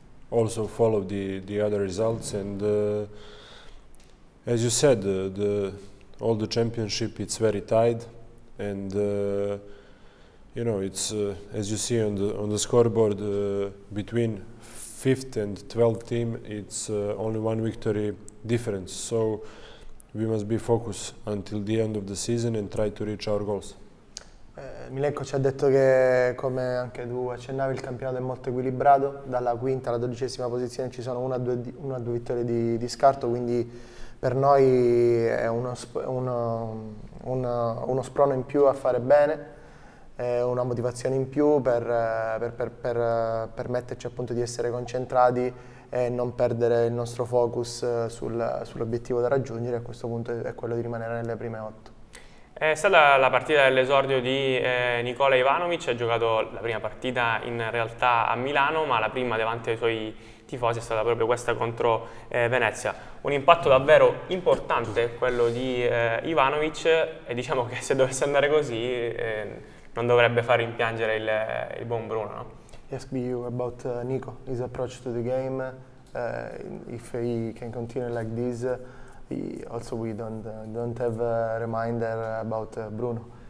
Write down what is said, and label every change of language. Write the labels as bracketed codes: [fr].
[en] Also follow the other results, and as you said, the all the championship, it's very tied, and you know, it's as you see on the scoreboard, between 5th and 12th team, it's only one victory difference, so we must be focused until the end of the season and try to reach our goals. [it] Milenko ci ha detto che, come anche tu accennavi, il campionato è molto equilibrato, dalla quinta alla dodicesima posizione ci sono una o due vittorie di scarto, quindi per noi è uno sprono in più a fare bene, è una motivazione in più per permetterci appunto di essere concentrati e non perdere il nostro focus sull'obiettivo da raggiungere. A questo punto è quello di rimanere nelle prime 8. È stata la partita dell'esordio di Nikola Ivanovic, ha giocato la prima partita in realtà a Milano, ma la prima davanti ai suoi tifosi è stata proprio questa contro Venezia. Un impatto davvero importante quello di Ivanovic, e diciamo che se dovesse andare così non dovrebbe far rimpiangere il buon Bruno, no? [en] Ask you about Nico, his approach to the game, if he can continue like this. Also, we don't have a reminder about Bruno.